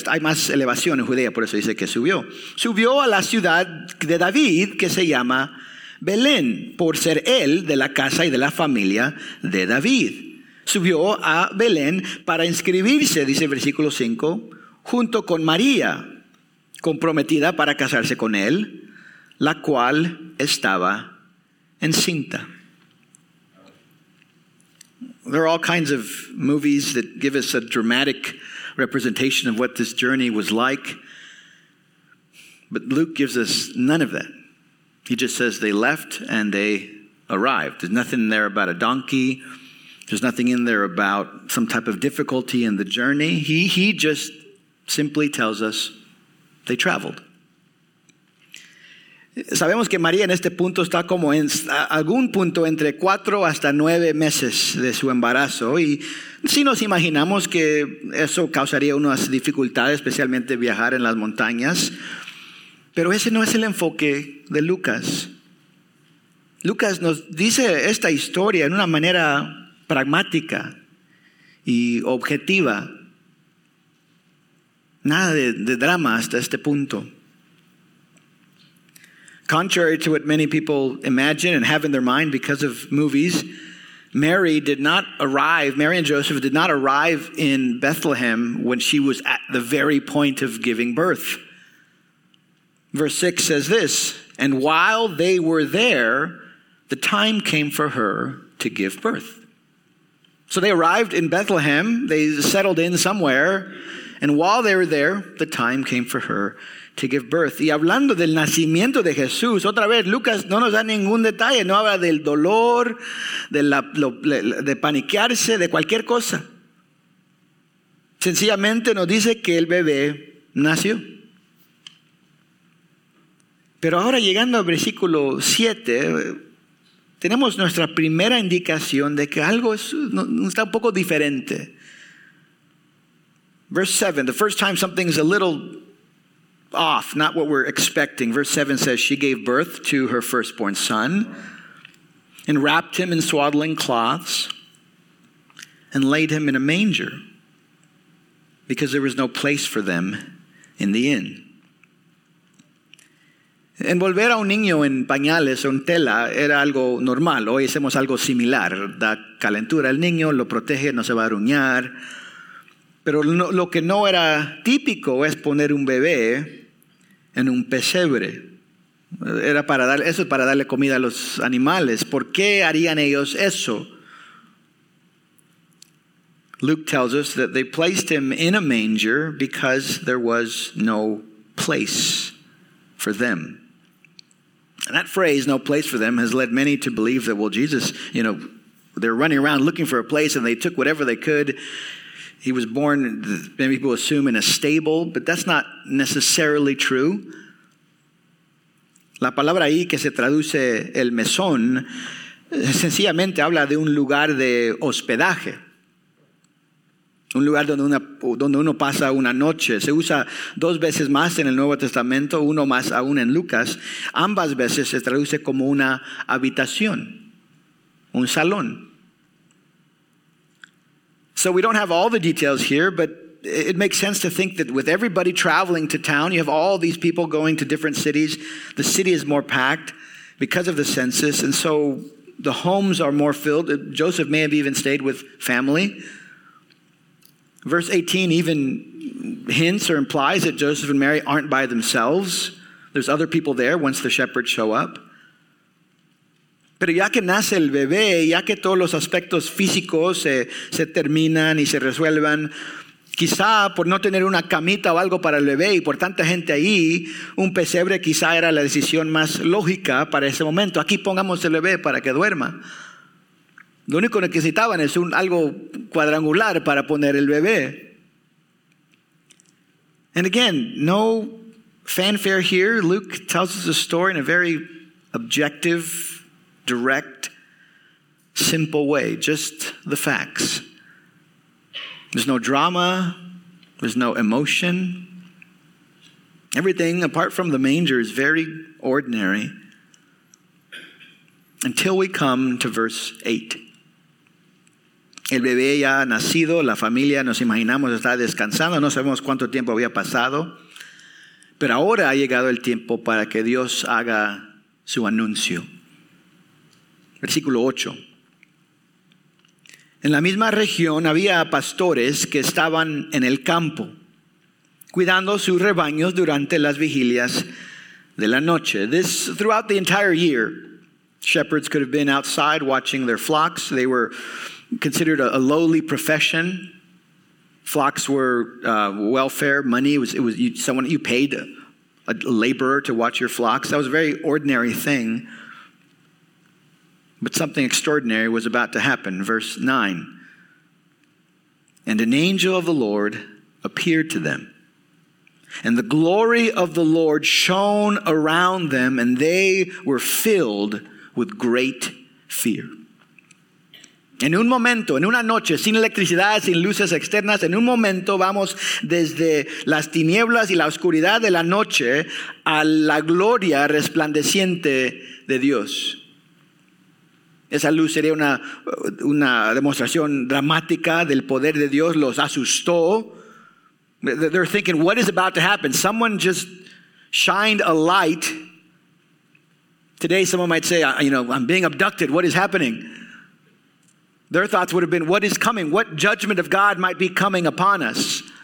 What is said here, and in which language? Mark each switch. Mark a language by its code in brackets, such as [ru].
[es] Hay más elevación en Judea, por eso dice que subió. Subió a la ciudad de David, que se llama Belén, por ser él de la casa y de la familia de David. Subió a Belén para inscribirse, dice el versículo 5, junto con María, comprometida para casarse con él, la cual estaba encinta. [en] There are all kinds of movies that give us a dramatic representation of what this journey was like, but Luke gives us none of that. He just says they left and they arrived. There's nothing in there about a donkey. There's nothing in there about some type of difficulty in the journey. He just simply tells us they traveled. [es] Sabemos que María en este punto está como en algún punto entre 4 hasta 9 meses de su embarazo, y sí nos imaginamos que eso causaría unas dificultades, especialmente viajar en las montañas, pero ese no es el enfoque de Lucas. Lucas nos dice esta historia en una manera pragmática y objetiva. Nada de drama hasta este punto. [en] Contrary to what many people imagine and have in their mind because of movies, Mary and Joseph did not arrive in Bethlehem when she was at the very point of giving birth. Verse 6 says this, and while they were there, the time came for her to give birth. So they arrived in Bethlehem, they settled in somewhere, and while they were there, the time came for her to give birth. [es] Y hablando del nacimiento de Jesús, otra vez, Lucas no nos da ningún detalle, no habla del dolor, de paniquearse, de cualquier cosa. Sencillamente nos dice que el bebé nació. Pero ahora llegando al versículo 7, tenemos nuestra primera indicación de que algo está un poco diferente. [en] Verse 7, the first time something's a little off, not what we're expecting. Verse 7 says, she gave birth to her firstborn son and wrapped him in swaddling cloths and laid him in a manger because there was no place for them in the inn. [es] Envolver a un niño en pañales o en tela era algo normal. Hoy hacemos algo similar. Da calentura al niño, lo protege, no se va a arruñar. Pero lo que no era típico es poner un bebé en un pesebre. Eso es para darle comida a los animales. ¿Por qué harían ellos eso? [en] Luke tells us that they placed him in a manger because there was no place for them. And that phrase, no place for them, has led many to believe that, well, Jesus, you know, they're running around looking for a place and they took whatever they could. He was born, many people assume, in a stable, but that's not necessarily true. [es] La palabra ahí que se traduce el mesón sencillamente habla de un lugar de hospedaje. Un lugar donde uno pasa una noche. Se usa 2 veces más en el Nuevo Testamento, 1 más aún en Lucas. Ambas veces se traduce como una habitación, un salón. [en] So we don't have all the details here, but it makes sense to think that with everybody traveling to town, you have all these people going to different cities. The city is more packed because of the census, and so the homes are more filled. Joseph may have even stayed with family. Verse 18 even hints or implies that Joseph and Mary aren't by themselves. There's other people there once the shepherds show up. [es] Pero ya que nace el bebé, ya que todos los aspectos físicos se terminan y se resuelvan, quizá por no tener una camita o algo para el bebé y por tanta gente ahí, un pesebre quizá era la decisión más lógica para ese momento. Aquí pongamos el bebé para que duerma. Lo único que necesitaban es algo cuadrangular para poner el bebé. [en] And again, no fanfare here. Luke tells us a story in a very objective, direct, simple way. Just the facts. There's no drama. There's no emotion. Everything apart from the manger is very ordinary. Until we come to verse 8. [es] El bebé ya ha nacido, la familia nos imaginamos está descansando, no sabemos cuánto tiempo había pasado, pero ahora ha llegado el tiempo para que Dios haga su anuncio. Versículo 8. En la misma región había pastores que estaban en el campo, cuidando sus rebaños durante las vigilias de la noche. [en] This, throughout the entire year, shepherds could have been outside watching their flocks. They were considered a lowly profession. Flocks were welfare money. You paid a laborer to watch your flocks. That was a very ordinary thing. But something extraordinary was about to happen. Verse 9. And an angel of the Lord appeared to them. And the glory of the Lord shone around them, and they were filled with great fear. [es] En un momento, en una noche, sin electricidad, sin luces externas, en un momento vamos desde las tinieblas y la oscuridad de la noche a la gloria resplandeciente de Dios. Esa luz sería una demostración dramática del poder de Dios. Los asustó. [en] They're thinking, what is about to happen? Someone just shined a light. Today someone might say, you know, I'm being abducted. What is happening? Their thoughts would have been, what is coming? What judgment of God might be coming upon us?